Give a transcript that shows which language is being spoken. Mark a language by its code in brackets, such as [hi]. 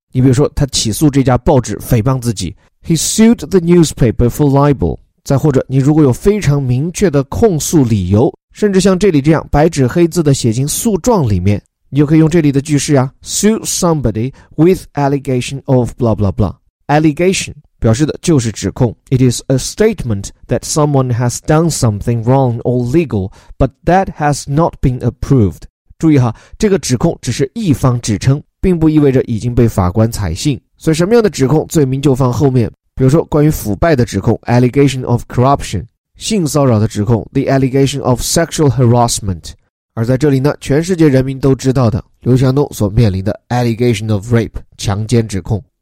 [zh] 你比如说他起诉这家报纸诽谤自己， [en] He sued the newspaper for libel。 [zh] 再或者你如果有非常明确的控诉理由，甚至像这里这样白纸黑字的写进诉状里面，你就可以用这里的句式啊， [en] sue somebody with allegation of blah blah [zh] blah。 [en] allegation [zh] 表示的就是指控， [en] it is a statement that someone has done something wrong or legal but that has not been approved。 [zh] 注意哈，这个指控只是一方指称，并不意味着已经被法官采信，所以什么样的指控罪名就放后面。比如说关于腐败的指控， [en] allegation of corruption， [zh] 性骚扰的指控， [en] the allegation of sexual harassment。 [zh] 而在这里呢，全世界人民都知道的刘强东所面临的 [en] allegation of rape， [zh] 强奸指控。